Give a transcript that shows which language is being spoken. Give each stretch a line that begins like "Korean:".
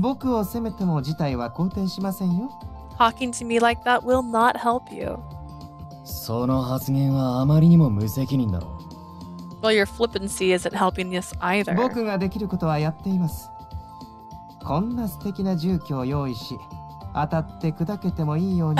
Japanese: 僕を責めても事態は好転しませんよ。
English: Talking to me like that will not help you.
Japanese: その発言はあまりにも無責任だろう。
English: Well, your flippancy isn't helping this either.
Japanese: 僕ができることはやっています。こんな素敵な住居を用意し、当たって砕けてもいいように。